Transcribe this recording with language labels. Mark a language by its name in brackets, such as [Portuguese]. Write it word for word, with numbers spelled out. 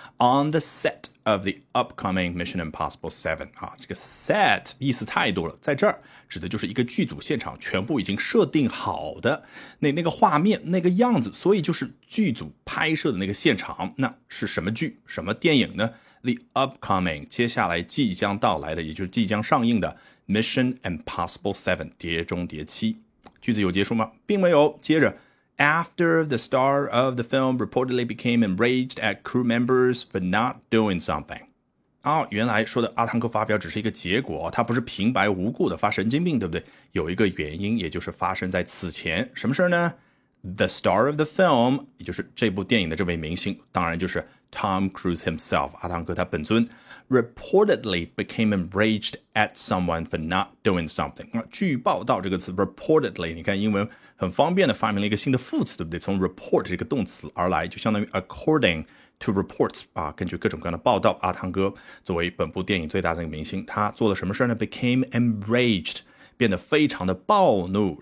[English] On the set of the upcoming Mission Impossible seven， [Chinese] 啊，这个 set 意思太多了，在这儿指的就是一个剧组现场全部已经设定好的那那个画面那个样子，所以就是剧组拍摄的那个现场。那是什么剧什么电影呢？ [English] The upcoming [Chinese] 接下来即将到来的，也就是即将上映的 Mission Impossible seven 碟中谍七。句子有结束吗？并没有。接着 [English] After the star of the film reportedly became enraged at crew members for not doing something. [Chinese] 哦，原来说的阿汤哥发飙只是一个结果，他不是平白无故的发神经病，对不对？有一个原因，也就是发生在此前。什么事呢？ [English] The star of the film， [Chinese] 也就是这部电影的这位明星，当然就是 [English] Tom Cruise himself， [Chinese] 阿汤哥他本尊 [English] reportedly became enraged at someone for not doing something. [Chinese] 据报道这个词 reportedly， 你看英文很方便的发明了一个新的副词，对不对？从 report 这个动词而来，就相当于 [English] according to reports [Chinese] 啊，根据各种各样的报道，阿汤哥作为本部电影最大的那个明星，他做了什么事呢？ [English] became enraged， [Chinese] 变得非常的暴怒。